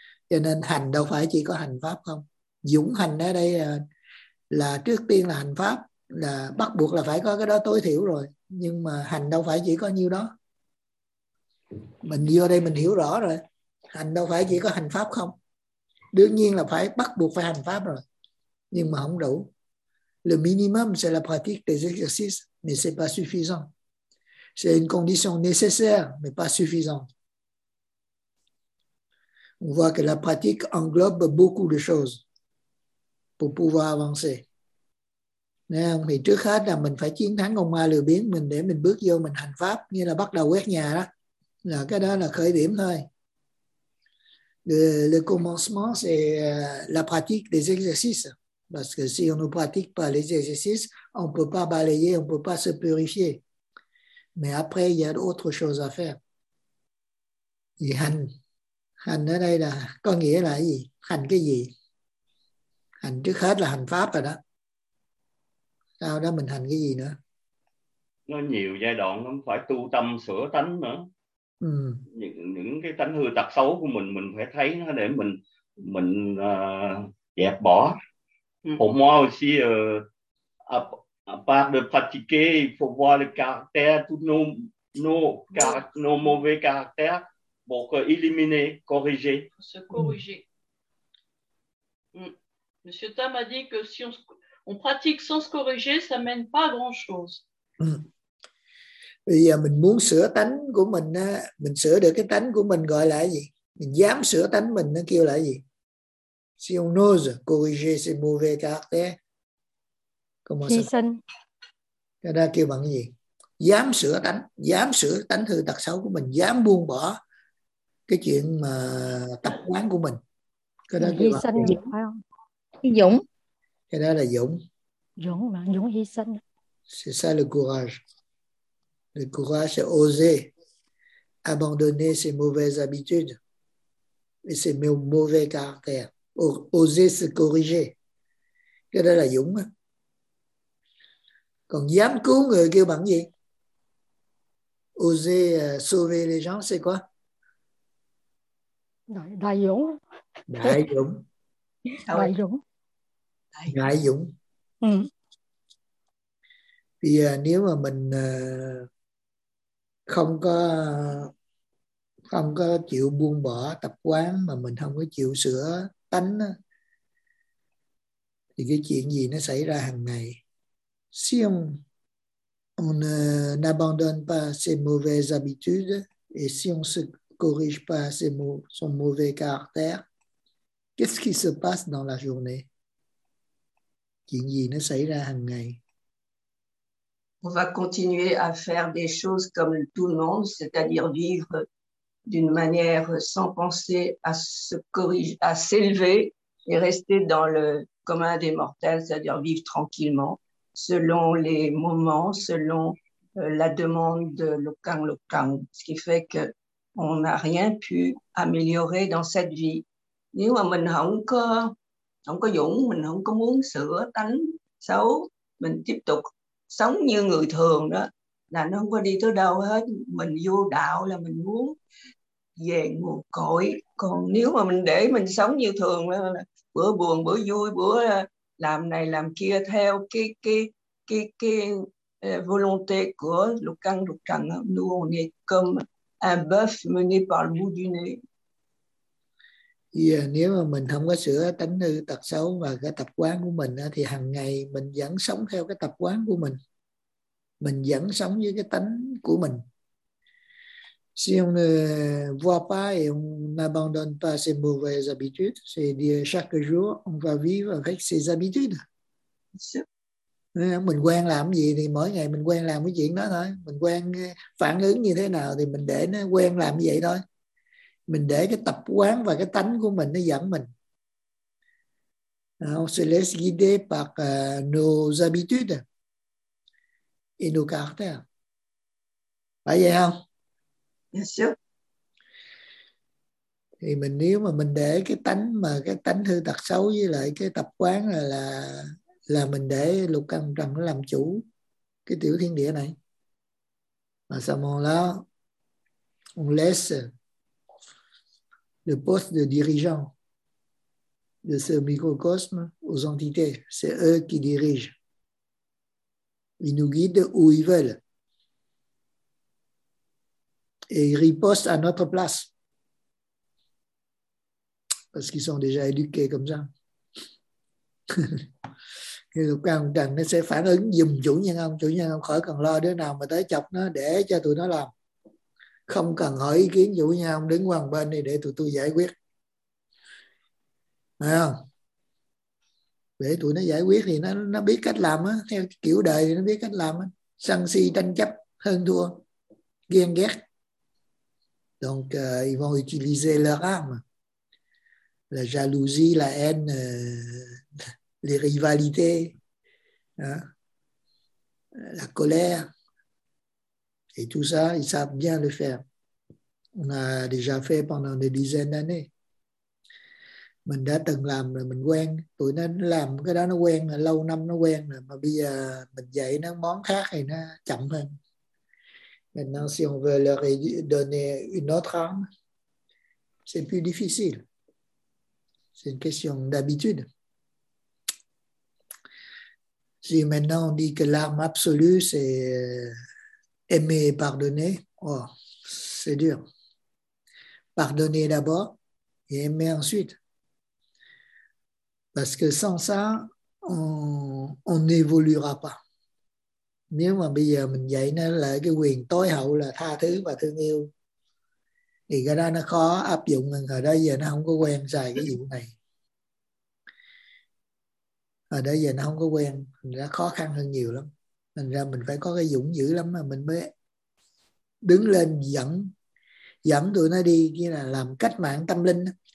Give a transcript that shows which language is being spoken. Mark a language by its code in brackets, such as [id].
[vi] Cho nên hành đâu phải chỉ có hành pháp không. Dũng hành ở đây là trước tiên là hành pháp, là bắt buộc là phải có cái đó tối thiểu rồi. Nhưng mà hành đâu phải chỉ có nhiêu đó. Mình vô đây mình hiểu rõ rồi, hành đâu phải chỉ có hành pháp không. Đương nhiên là phải bắt buộc phải hành pháp rồi, nhưng mà không đủ. [fr] Le minimum c'est la pratique des exercices, mais c'est pas suffisant. C'est une condition nécessaire, mais pas suffisante. On voit que la pratique englobe beaucoup de choses pour pouvoir avancer. [vi] Nè, thì trước hết là mình phải chiến thắng ông ma lừa biến mình để mình bước vô mình hành pháp, như là bắt đầu quét nhà đó, là cái đó là khởi điểm thôi. [fr] Le commencement, c'est la pratique des exercices. Parce que si on ne pratique pas les exercices, on ne peut pas balayer, on ne peut pas se purifier. Mais après, il y a d'autres choses à faire. Et [vi] hành. Hành ở đây là, có nghĩa là gì? Hành cái gì? Hành trước hết là hành pháp rồi đó. Sau đó mình hành cái gì nữa? Nó nhiều giai đoạn, không phải tu tâm sửa tánh nữa. Những cái tánh hư tật xấu của mình phải thấy nó để mình dẹp bỏ. [fr] Pour moi aussi, à part de pratiquer, il faut voir le caractère, tous nos mauvais caractères pour éliminer, corriger. Se corriger. Monsieur Tam a dit que si on pratique sans se corriger, ça mène pas à grand chose. [vi] Bây giờ mình muốn sửa tánh của mình, mình sửa được cái tánh của mình gọi là gì? Mình dám sửa tánh mình, nó kêu là gì? [fr] Si on ose corriger ses mauvais caractères. [vi] Chí sinh. Cái đó kêu bằng cái gì? Dám sửa tánh, dám sửa tánh hư tật xấu của mình, dám buông bỏ cái chuyện mà tập quán của mình. Cái đó kêu bằng sinh, phải không? Dũng. Cái đó là dũng. Dũng mà, dũng hy sinh. [fr] C'est ça le courage. Le courage, c'est oser abandonner ses mauvaises habitudes et ses mauvais caractères. Oser se corriger. [vi] Cái đó là dũng. Còn dám cứu người kêu bằng gì? [fr] Oser sauver les gens, c'est quoi? [vi] Đại dũng. Đại dũng. Đại dũng. Đại dũng. Bây giờ nếu mà mình không có chịu buông bỏ tập quán, mà mình không có chịu sửa tánh, thì cái chuyện gì nó xảy ra hàng ngày? [fr] Si on n'abandonne pas ses mauvaises habitudes et si on se corrige pas son mauvais caractère, qu'est-ce qui se passe dans la journée? [vi] Chuyện gì nó xảy ra hàng ngày? [fr] on va continuer à faire des choses comme tout le monde, c'est-à-dire vivre d'une manière sans penser à se corriger, à s'élever et rester dans le commun des mortels, c'est-à-dire vivre tranquillement, selon les moments, selon la demande de Lokang Lokang, ce qui fait que on n'a rien pu améliorer dans cette vie. [vi] Nếu mà mình không có dũng, mình không có muốn sửa tánh xấu, mình tiếp tục sống như người thường đó, là nó không có đi tới đâu hết. Mình vô đạo là mình muốn về nguồn cội. Còn nếu mà mình để mình sống như thường, bữa buồn, bữa vui, bữa làm này, làm kia, theo cái volonté của lục căng, lục trần, [fr] nous on est comme un bœuf mené par le bout du nez. [vi] Yeah, nếu mà mình không có sửa tánh hư tật xấu và cái tập quán của mình thì hằng ngày mình vẫn sống theo cái tập quán của mình. Mình vẫn sống với cái tánh của mình. [fr] Si on ne voit pas et on n'abandonne pas ses mauvaises habitudes, c'est dire chaque jour on va vivre avec ses habitudes. [vi] Mình quen làm gì thì mỗi ngày mình quen làm cái chuyện đó thôi. Mình quen phản ứng như thế nào thì mình để nó quen làm như vậy thôi. Mình để cái tập quán và cái tánh của mình nó dẫn mình. [fr] On se laisse guider par nos habitudes et nos caractères. [vi] Phải vậy không? [fr] Bien sûr. [vi] Thì mình, nếu mà mình để cái tánh mà cái tánh hư tật xấu với lại cái tập quán là mình để lục căn trần nó làm chủ cái tiểu thiên địa này. [fr] À ce moment-là, on laisse le poste de dirigeant de ce microcosme aux entités. C'est eux qui dirigent. Ils nous guident où ils veulent. Et ils ripostent à notre place. Parce qu'ils sont déjà éduqués comme ça. Et le cas où il s'est fait un [vi] dùm chủ nhân ông khỏi cần lo đứa nào mà tới chọc nó để cho tụi nó làm. Không cần hỏi ý kiến chủ nhân, ông đứng qua một bên đi để tụi tôi giải quyết. Phải không? Để tụi nó giải quyết thì nó biết cách làm á. Theo kiểu đời thì nó biết cách làm á. Sân si tranh chấp, hơn thua, ghen ghét. [fr] Donc, ils vont utiliser leur âme. La jalousie, la haine, les rivalités, hein? La colère. Et tout ça, ils savent bien le faire. On a déjà fait pendant des dizaines d'années. Mình đã từng làm rồi, mình quen. Tụi nó làm cái đó nó quen, lâu năm nó quen rồi. Mà bây giờ mình dạy nó món khác thì nó chậm hơn. Maintenant, si on veut leur donner une autre arme, c'est plus difficile. C'est une question d'habitude. Si maintenant on dit que l'arme absolue, c'est aimer et pardonner, oh, c'est dur. Pardonner d'abord et aimer ensuite. Parce que sans ça, on n'évoluera pas. [vi] Nếu mà bây giờ mình dạy nó là cái quyền tối hậu là tha thứ và thương yêu, thì cái đó nó khó áp dụng. Hồi đó giờ nó không có quen xài cái vụ này. Hồi đó giờ nó không có quen, thành ra khó khăn hơn nhiều lắm. Thành ra mình phải có cái dũng dữ lắm mà mình mới đứng lên dẫn tụi nó đi, như là làm cách mạng tâm linh.